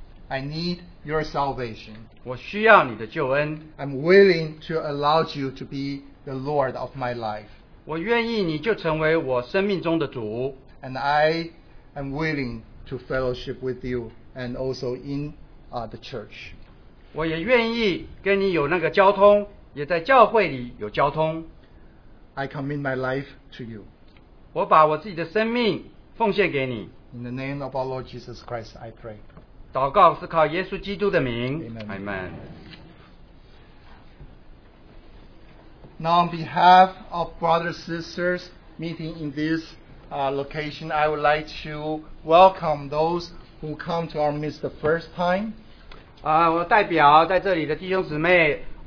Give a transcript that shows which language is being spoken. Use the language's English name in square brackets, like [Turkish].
[English] I need your salvation. [Chinese] 我需要你的救恩。 [English] I'm willing to allow you to be the Lord of my life. [Chinese] 我愿意你就成为我生命中的主。 [English] And I am willing to fellowship with you and also in the church. [Chinese] 我也愿意跟你有那个交通。也在教会里有交通。 [English] I commit my life to you. [Chinese] 我把我自己的生命奉献给你。 [English] In the name of our Lord Jesus Christ, I pray. [Chinese] 祷告是靠耶稣基督的名。 [English] Amen. Amen. Now, on behalf of brothers and sisters meeting in this location, I would like to welcome those who come to our midst the first time. [Chinese] 我代表在这里的弟兄姊妹。